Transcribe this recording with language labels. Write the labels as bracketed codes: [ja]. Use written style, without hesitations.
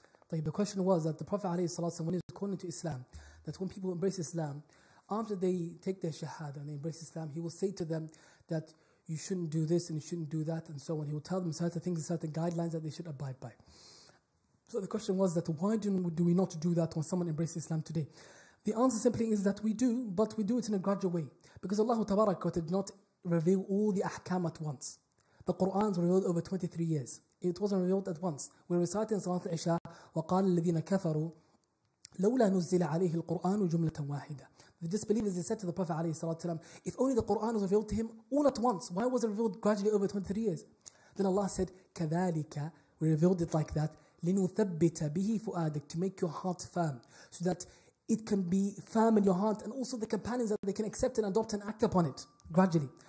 [en] The question was that the Prophet alayhi salatu wasalam, when he was calling to Islam, that when people embrace Islam, after they take their shahada and they embrace Islam, he will say to them that you shouldn't do this and you shouldn't do that and so on. He will tell them certain things and certain guidelines that they should abide by. So the question was that why do we not do that when someone embraces Islam today? The answer simply is that we do, but we do it in a gradual way. Because Allah Tabaraka did not reveal all the ahkam at once. The Quran is revealed over 23 years. It wasn't revealed at once. We're reciting Salat al-Isha, [ar] وَقَالَ الَّذِينَ كَفَرُوا لَوْلَا نُزِّلَ عَلَيْهِ الْقُرْآنُ جُمْلَةً وَاحِدًا. [en] The disbelievers, they said to the Prophet ﷺ, if only the Quran was revealed to him all at once, why was it revealed gradually over 23 years? Then Allah said, كَذَلِكَ, we revealed it like that, [ar] لِنُثَبِّتَ بِهِ فُؤَادَكَ, [en] to make your heart firm, so that it can be firm in your heart, and also the companions that they can accept and adopt and act upon it gradually.